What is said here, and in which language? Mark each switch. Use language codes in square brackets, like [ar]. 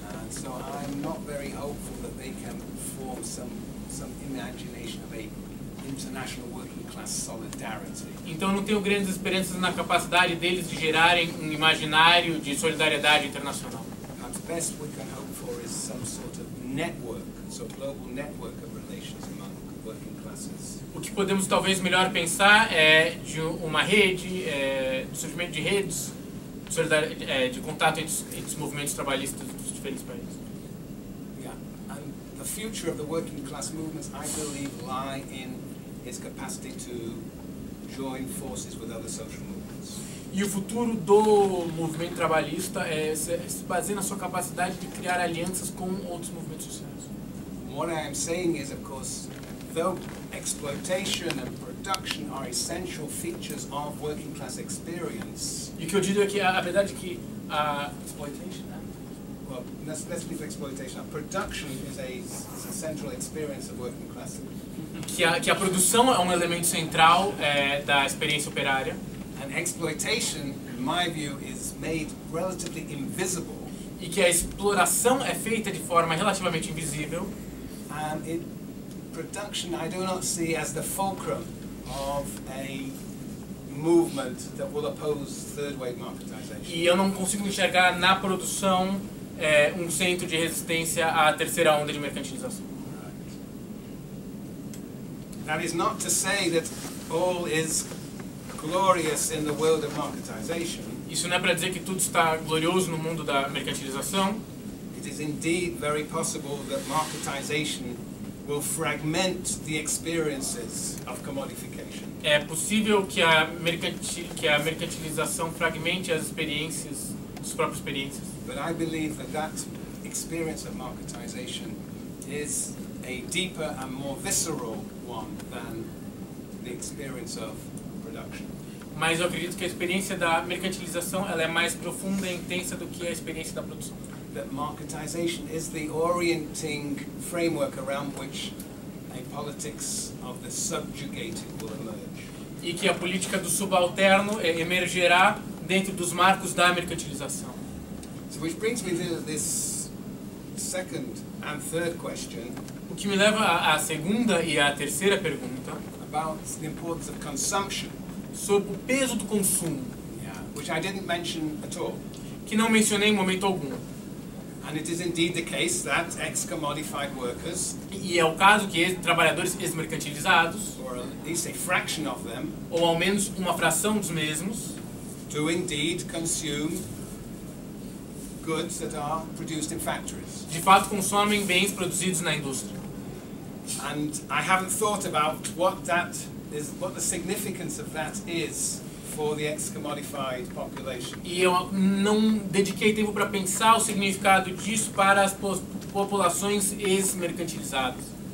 [en] So I'm not very hopeful that they can form some imagination of a international working class solidarity. [pt] Então não tenho grandes esperanças na capacidade deles de gerarem um imaginário de solidariedade internacional. [en] At best we can hope for is some sort of network, so global network of relations among working classes. [pt] O que podemos talvez melhor pensar é de uma rede, do surgimento de redes de contato entre os movimentos trabalhistas dos diferentes países. [en] Yeah, and the future of the working class movements, I believe, lie in its capacity to join forces with other social movements. [pt] E o futuro do movimento trabalhista se baseia na sua capacidade de criar alianças com outros movimentos sociais. [en] What I am saying is, of course, though exploitation and production are essential features of working class experience. [pt] E o que eu digo é que a verdade é que a [en] exploitation, well, let's leave exploitation. Production is a central experience of working class. [pt] Que a produção é um elemento central da experiência operária. [en] And exploitation, in my view, is made relatively invisible. [pt] E que a exploração é feita de forma relativamente invisível. [en] And it production I do not see as the fulcrum of a movement that will oppose third wave marketization. [pt] E eu não consigo enxergar na produção um centro de resistência à terceira onda de mercantilização. [en] That is not to say that all is glorious in the world of marketization. [pt] Isso não é para dizer que tudo está glorioso no mundo da mercantilização. [en] It is indeed very possible that marketization will fragment the experiences of commodification. [pt] É possível que a mercantilização fragmente as experiências, as próprias experiências. [en] But I believe that that experience of marketization is a deeper and more visceral one than the experience of production. [pt] Mas eu acredito que a experiência da mercantilização ela é mais profunda e intensa do que a experiência da produção. [en] That marketization is the orienting framework around which a politics of the subjugated will emerge. [pt] E que a política do subalterno emergerá dentro dos marcos da mercantilização. [en] So which brings me to this second and third question. [pt] O que me leva à segunda e à terceira pergunta. [en] About the importance of consumption. [pt] Sobre o peso do consumo. [en] Yeah, which I didn't mention at all. [pt] Que não mencionei em momento algum. [en] And it is indeed the case that ex-commodified workers, [pt] e é o caso que trabalhadores ex-mercantilizados, [en] or at least a fraction of them, [pt] ou ao menos uma fração dos mesmos, [en] do indeed consume goods that are produced in factories. [pt] De fato consomem bens produzidos na indústria. [en] And I haven't thought about what that is, what the significance of that is for the ex-commodified population. [pt] E eu não dediquei tempo para pensar o significado disso para as populações ex-mercantilizadas.